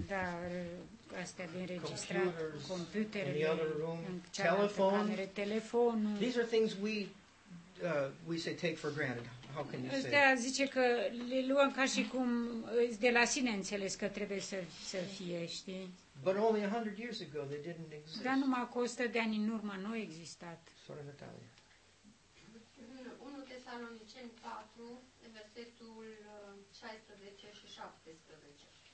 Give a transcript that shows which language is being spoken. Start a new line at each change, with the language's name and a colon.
Romanian: Da, astea de înregistrat.
English: Computer. In the other room. Telephone.
Romanian: Telefonul.
English: These are things we say take for granted.
Romanian: Ăsta zice că le luăm ca și cum de la sine înțeles că trebuie să fie, știi?
English: But only 100 years ago they didn't exist.
Romanian: Dar numai cu 100 de ani în urmă nu au existat. Sora Natalia. 1 Tesaloniceni 4, versetul 16 și 17.